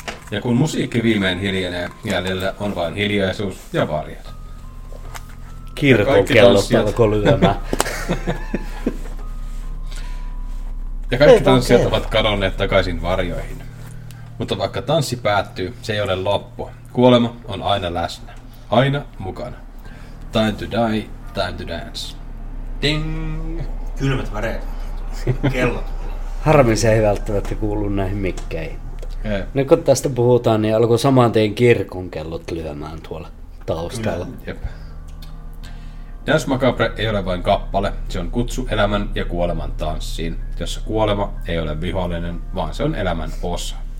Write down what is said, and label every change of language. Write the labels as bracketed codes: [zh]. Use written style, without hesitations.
[fi] Ja kun musiikki viimein hiljenee, jäljellä on vain hiljaisuus ja varjot. Kirkonkellot alkoi lyömään. Ja kaikki tanssijat ovat kadonneet takaisin varjoihin. Mutta vaikka tanssi päättyy, se ei ole loppu. Kuolema on aina läsnä. Aina mukana. [en] Time to die, time to dance. Ding! [fi] Kylmät väreet. Kellot. Harmi se ei välttämättä kuulu näihin mikkeihin. Ei. Nyt kun tästä puhutaan, niin alkoi saman tien kirkon kellot lyömään tuolla taustalla. Dance Macabre ei ole vain kappale, se on kutsu elämän ja kuoleman tanssiin, jossa kuolema ei ole vihollinen, vaan se on elämän osa.